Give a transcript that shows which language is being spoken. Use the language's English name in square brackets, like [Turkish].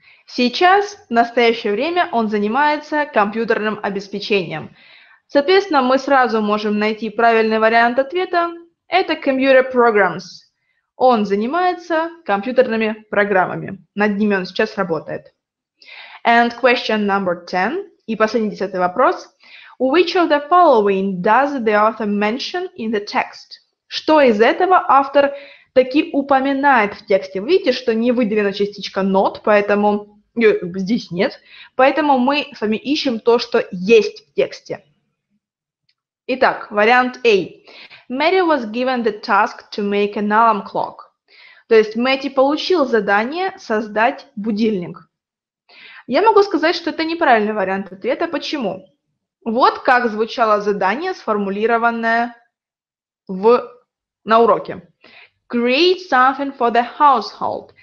[Russian] Сейчас, в настоящее время, он занимается компьютерным обеспечением. Соответственно, мы сразу можем найти правильный вариант ответа. Это [English] computer programs. [Russian] Он занимается компьютерными программами. Над ними он сейчас работает. [English] And question number 10. [Russian] И последний десятый вопрос. [English] Which of the following does the author mention in the text? [Russian] Что из этого автор таки упоминает в тексте? Вы видите, что не выделена частичка not, поэтому здесь нет. Поэтому мы с вами ищем то, что есть в тексте. Итак, вариант A. [English] Matty was given the task to make an alarm clock. [Russian] То есть Мэтти получил задание создать будильник. Я могу сказать, что это неправильный вариант ответа. Почему? Вот как звучало задание, сформулированное на уроке. [English] Create something for the household.